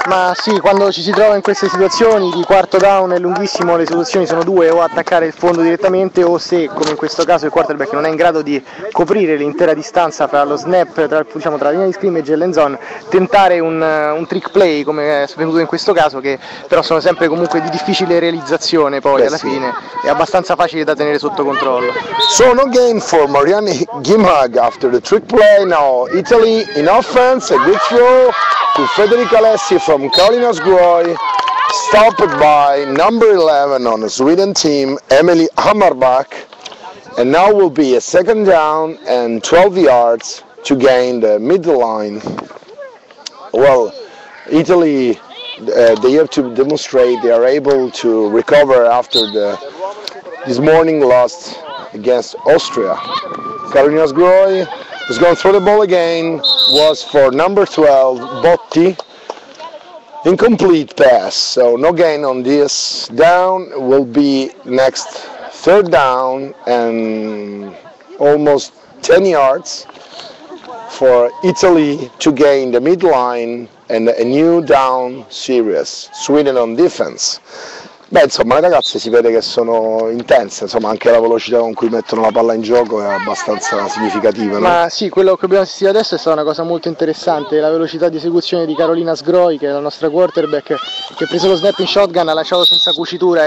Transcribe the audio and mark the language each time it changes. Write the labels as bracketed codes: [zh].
[it] Ma sì, quando ci si trova in queste situazioni di quarto down è lunghissimo, le soluzioni sono due: o attaccare il fondo direttamente, o se come in questo caso il quarterback non è in grado di coprire l'intera distanza fra lo snap, tra la linea di scrimmage e l'end zone, tentare un trick play come è avvenuto in questo caso, che però sono sempre comunque di difficile realizzazione. Poi alla fine è abbastanza facile da tenere sotto controllo. [en] So no gain for Mariani Gimag after the trick play. Now Italy in offense, a good throw to Federico Alessi from Kalinas Groy, stopped by number 11 on the Sweden team, Emily Hammarback, and now will be a second down and 12 yards to gain the middle line. Well, Italy, they have to demonstrate they are able to recover after this morning loss against Austria. Carolina Sgroi is going to throw the ball again, was for number 12, Botti. Incomplete pass, so no gain on this down, will be next third down and almost 10 yards for Italy to gain the midline and a new down series, Sweden on defense. [it] Beh, insomma, le ragazze si vede che sono intense, insomma, anche la velocità con cui mettono la palla in gioco è abbastanza significativa, no? Ma sì, quello che abbiamo assistito adesso è stata una cosa molto interessante, la velocità di esecuzione di Carolina Sgroi, che è la nostra quarterback, che ha preso lo snap in shotgun, ha lasciato senza cucitura.